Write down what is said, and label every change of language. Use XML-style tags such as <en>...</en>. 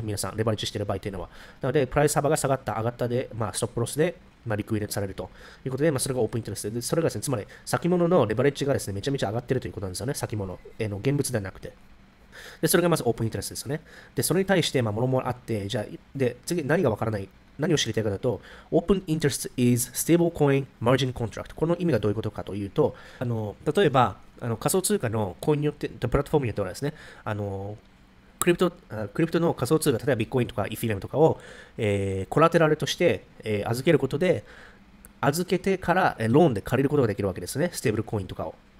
<ja>皆さん、レバレッジしている場合というのは。なので、プライス幅が下がった、上がったで、ストップロスで、リクイレートされるということで、それがオープンインタレストで、それがですね、つまり、先物のレバレッジがですね、めちゃめちゃ上がっているということなんですよね。先物への現物ではなくて。で、それがまずオープンインタレストですよね。で、それに対して、もろもろあって、じゃあ、で、次、何がわからない。何を知りたいかだと、</ja> <en>Open Interest is Stablecoin Margin Contract。</en> <ja>この意味がどういうことかというと、例えば、仮想通貨のコインによって、プラットフォームによってはですね、クリプトの仮想通貨、例えばビットコインとかイーサリアムとかを、コラテラルとして、預けることで、預けてから、ローンで借りることができるわけですね、ステーブルコインとかを。</ja>